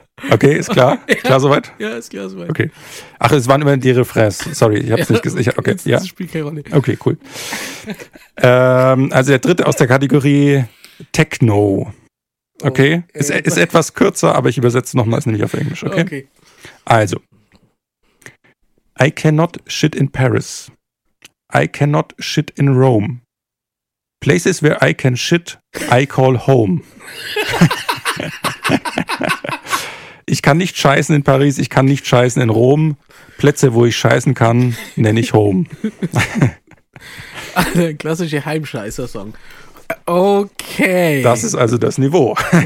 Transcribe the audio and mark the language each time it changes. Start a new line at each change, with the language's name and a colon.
German: Okay, ist klar? Ja. Klar soweit? Ja, ist klar soweit. Okay. Ach, es waren immer die Refrains. Sorry, ich hab's nicht gesehen. Okay, jetzt, das spielt keine Rolle. Okay, cool. Also der dritte aus der Kategorie Techno. Okay, ist etwas kürzer, aber ich übersetze nochmals nämlich auf Englisch. Okay? Okay.
English: Also, I cannot shit in Paris. I cannot shit in Rome. Places where I can shit, I call home.
German: Ich kann nicht scheißen in Paris, ich kann nicht scheißen in Rom. Plätze, wo ich scheißen kann, nenne ich home. Also, klassische Heimscheißer-Song. Okay. Das ist also das Niveau.